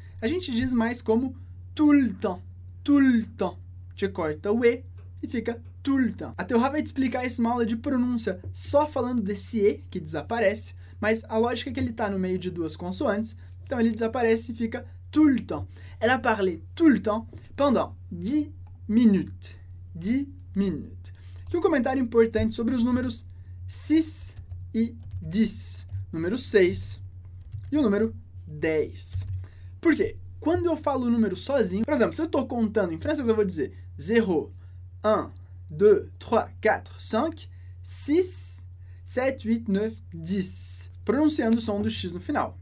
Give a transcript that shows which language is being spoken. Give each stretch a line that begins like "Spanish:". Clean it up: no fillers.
Portuguese: A gente diz mais como tout le temps.
French: Tout le temps.
Portuguese: Te corta o E e fica
French: tout le temps.
Portuguese: A Théorat vai te explicar isso numa aula de pronúncia só falando desse E que desaparece, mas a lógica é que ele está no meio de duas consoantes, então ele desaparece e fica tout le temps.
French: Elle a parlé tout le temps pendant 10 minutes. 10 minutes.
Portuguese: Aqui um comentário importante sobre os números 6 e 10. Número 6 e o número 10. Por quê? Quando eu falo o número sozinho, por exemplo, se eu estou contando em francês, eu vou dizer 0, 1, 2, 3, 4, 5, 6, 7, 8, 9, 10, pronunciando o som do X no final.